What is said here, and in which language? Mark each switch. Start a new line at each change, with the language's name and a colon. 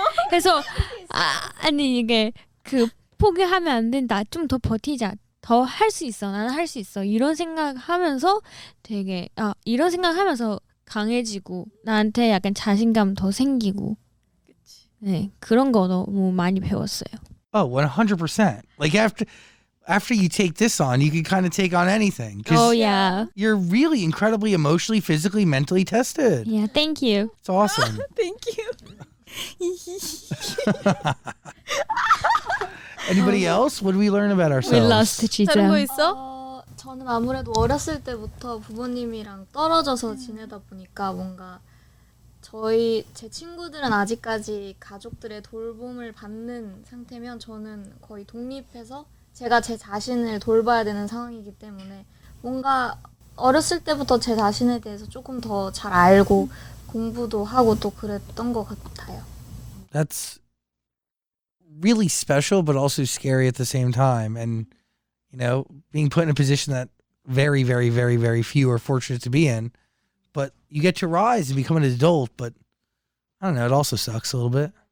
Korean: 그래서 아니 이게 그 포기하면 안 된다. 좀 더 버티자. 더 할 수 있어, 나는 할 수 있어, 이런 생각하면서 되게 아 이런 생각하면서 강해지고 나한테 약간 자신감 더 생기고, 그치. 네 그런 거 너무 많이 배웠어요.
English: Oh, 100%. Like after you take this on, you can kind of take on anything. Oh yeah. You're really incredibly emotionally, physically, mentally tested. Yeah, thank you. It's awesome. Thank you. Anybody else? What do we learn about ourselves? We lost the cheetah.
Korean: 다른 거 있어? 저는 아무래도 어렸을 때부터 부모님이랑 떨어져서 지내다 보니까 뭔가 제 친구들은 아직까지 가족들의 돌봄을 받는 상태면 저는 거의 독립해서 제가 제 자신을 돌봐야 되는 상황이기 때문에 뭔가 어렸을 때부터 제 자신에 대해서 조금 더 잘 알고 공부도 하고 또 그랬던 것 같아요.
English: That's really special but also scary at the same time, and you know, being put in a position that very very very very few are fortunate to be in, but you get to rise and become an adult, but I don't know, it also sucks a little bit.